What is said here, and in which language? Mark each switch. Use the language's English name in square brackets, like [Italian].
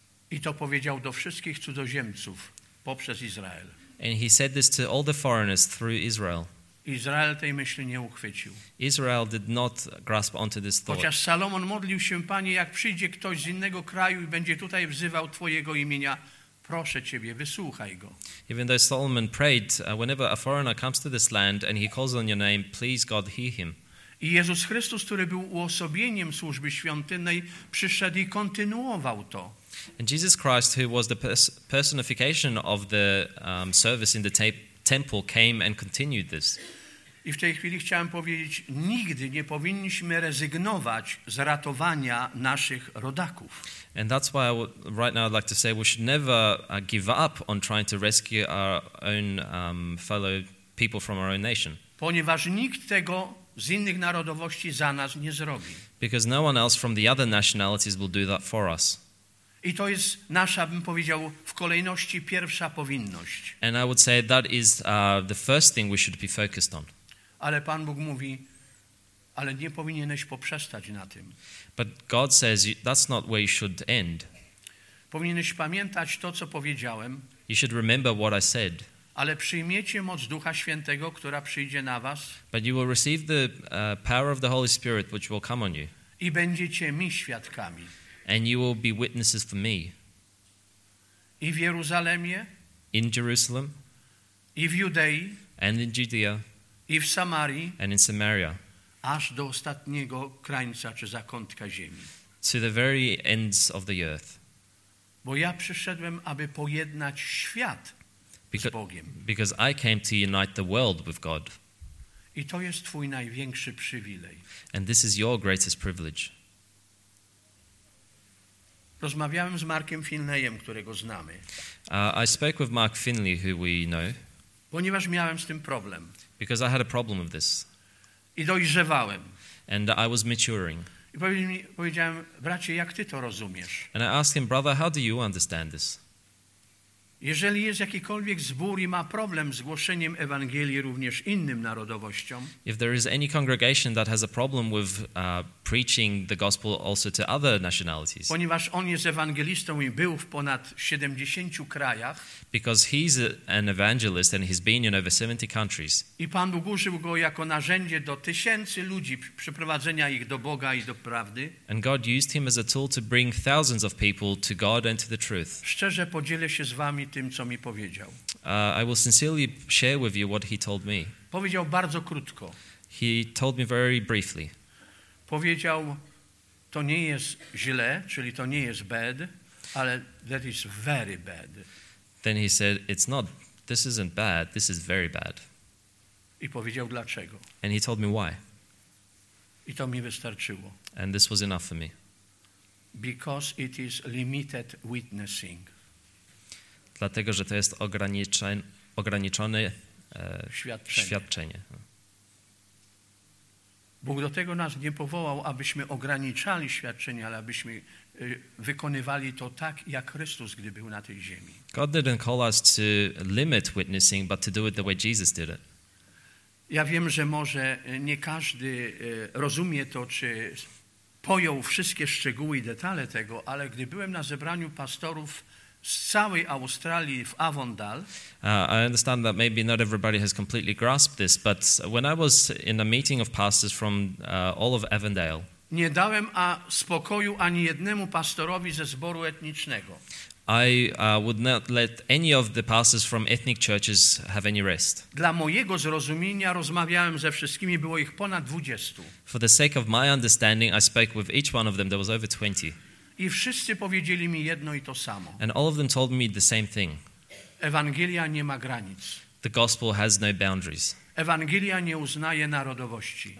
[Polish] I to powiedział do wszystkich cudzoziemców poprzez Izrael. [English] And he said this to all the foreigners through Israel. [Polish] Izrael tej myśli nie uchwycił. [English] Israel did not grasp onto this thought. [Polish] Chociaż Salomon modlił się, Panie, jak przyjdzie ktoś z innego kraju i będzie tutaj wzywał Twojego imienia, proszę Ciebie, wysłuchaj go. [English] Even though Solomon prayed, whenever a foreigner comes to this land and he calls on your name, please God hear him. [Polish] I Jezus Chrystus, który był uosobieniem służby świątynnej, przyszedł i kontynuował to. [English] And Jesus Christ, who was the personification of the service in the temple, came and continued this. [Polish] I w tej chwili chciałem powiedzieć, nigdy nie powinniśmy rezygnować z ratowania naszych rodaków. [English] And that's why right now I'd like to say we should never give up on trying to rescue our own fellow people from our own nation. [Polish] Ponieważ nikt tego z innych narodowości za nas nie zrobi. [English] Because no one else from the other nationalities will do that for us. [Polish] I to jest nasza, bym powiedział, w kolejności pierwsza powinność. [English] And I would say that is the first thing we should be focused on. [Polish] Ale Pan Bóg mówi, ale nie powinieneś poprzestać na tym. [English] But God says that's not where you should end. [Polish] Powinieneś pamiętać to, co powiedziałem. [English] You should remember what I said. [Polish] Ale przyjmiecie moc Ducha Świętego, która przyjdzie na was. [English] But you will receive the power of the Holy Spirit, which will come on you. [Polish] I będziecie mi świadkami. [English] And you will be witnesses for me. [Polish] I w Jeruzalemie. [English] In Jerusalem. [Polish] I w Judei. [English] And in Judea. [Polish] I w Samarii. [English] And in Samaria. [Polish] Aż do ostatniego krańca czy zakątka ziemi. [English] To the very ends of the earth. [Polish] Bo ja przyszedłem, aby pojednać świat z Bogiem. [English] Because I came to unite the world with God. [Polish] I to jest twój największy przywilej. [English] And this is your greatest privilege. [Polish] Rozmawiałem z Markiem Finleyem, którego znamy. [English] I spoke with Mark Finley, who we know. [Polish] Ponieważ miałem z tym problem. [English] Because I had a problem with this. [Polish] I dojrzewałem. [English] And I was maturing. [Polish] I powiedziałem, bracie, jak ty to rozumiesz? [English] And I asked him, brother, how do you understand this? [Polish] Jeżeli jest jakikolwiek zbór i ma problem z głoszeniem Ewangelii również innym narodowościom, [English] if there is any congregation that has a problem with preaching the gospel also to other nationalities, [Polish] ponieważ on jest ewangelistą i był w ponad 70 krajach, [English] because he's an evangelist and he's been in over 70 countries, [Polish] i Pan Bóg użył go jako narzędzie do tysięcy ludzi, przyprowadzenia ich do Boga i do prawdy, [English] and God used him as a tool to bring thousands of people to God and to the truth. [Polish] Szczerze podzielę się z wami tym, co mi powiedział. [English] I will sincerely share with you what he told me. [Polish] Powiedział bardzo krótko. [English] He told me very briefly. [Polish] Powiedział, to nie jest źle, czyli to nie jest [English] bad, [Polish] ale [English] that is very bad. Then he said, it's not, this isn't bad, this is very bad. [Polish] I powiedział dlaczego. [English] And he told me why. [Polish] I to mi wystarczyło. [English] And this was enough for me. Because it is limited witnessing. [Polish] Dlatego, że to jest ograniczone świadczenie. Bóg do tego nas nie powołał, abyśmy ograniczali świadczenie, ale abyśmy wykonywali to tak, jak Chrystus, gdy był na tej ziemi. [English] God didn't call us to limit witnessing, but to do it the way Jesus did it. [Polish] Ja wiem, że może nie każdy rozumie to, czy pojął wszystkie szczegóły i detale tego, ale gdy byłem na zebraniu pastorów z całej Australii w Avondale. [English] I understand that maybe not everybody has completely grasped this, but when I was in a meeting of pastors from all of Avondale, [Polish] nie dałem spokoju ani jednemu pastorowi ze zboru etnicznego. [English] I would not let any of the pastors from ethnic churches have any rest. [Polish] Dla mojego zrozumienia rozmawiałem ze wszystkimi, było ich ponad 20. [English] For the sake of my understanding, I spoke with each one of them, there was over 20. [Polish] I wszyscy powiedzieli mi jedno i to samo. [English] And all of them told me the same thing. [Polish] Ewangelia nie ma granic. [English] The gospel has no boundaries. [Polish] Ewangelia nie uznaje narodowości.